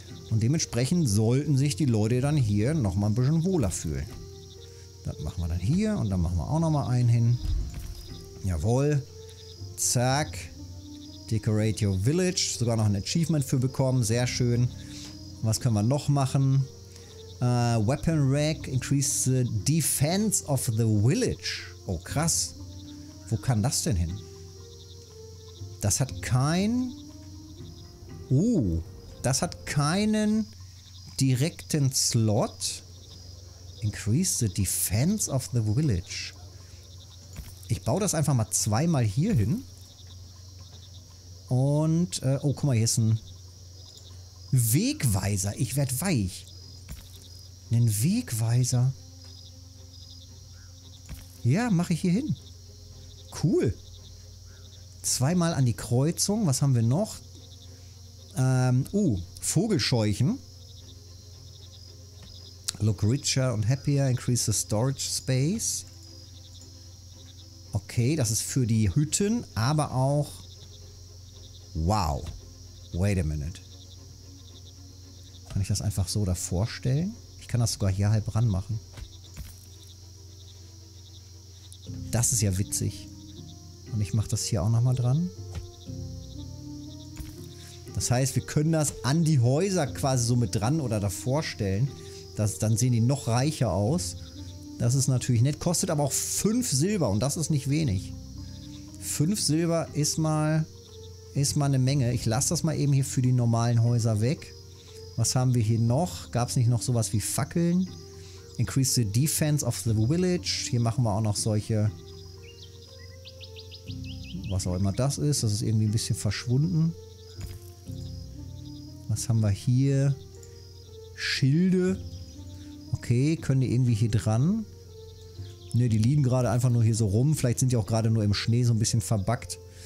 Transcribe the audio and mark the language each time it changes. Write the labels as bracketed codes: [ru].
[de] Und dementsprechend sollten sich die Leute dann hier nochmal ein bisschen wohler fühlen. Das machen wir dann hier und dann machen wir auch nochmal einen hin. Jawohl. Zack. Decorate your village. Sogar noch ein Achievement für bekommen. Sehr schön. Was können wir noch machen? [en] Weapon Rack. Increase the defense of the village. [de] Oh, krass. Wo kann das denn hin? Das hat kein... Das hat keinen direkten Slot. [en] Increase the defense of the village. [de] Ich baue das einfach mal zweimal hier hin. Und, oh, guck mal, hier ist ein Wegweiser. Ich werde weich. Einen Wegweiser. Ja, mache ich hier hin. Cool. Zweimal an die Kreuzung. Was haben wir noch? Vogelscheuchen. [en] Look richer and happier. Increase the storage space. [de] Okay, das ist für die Hütten, aber auch... Wow. Wait a minute. Kann ich das einfach so davor stellen? Ich kann das sogar hier halb ran machen. Das ist ja witzig. Und ich mache das hier auch nochmal dran. Das heißt, wir können das an die Häuser quasi so mit dran oder davor stellen. Das, dann sehen die noch reicher aus. Das ist natürlich nett. Kostet aber auch 5 Silber und das ist nicht wenig. 5 Silber ist mal eine Menge. Ich lasse das mal eben hier für die normalen Häuser weg. Was haben wir hier noch? Gab es nicht noch sowas wie Fackeln? [en] Increase the defense of the village. [de] Hier machen wir auch noch solche... Was auch immer das ist. Das ist irgendwie ein bisschen verschwunden. Was haben wir hier? Schilde. Okay, können die irgendwie hier dran? Ne, die liegen gerade einfach nur hier so rum. Vielleicht sind die auch gerade nur im Schnee so ein bisschen verbuggt.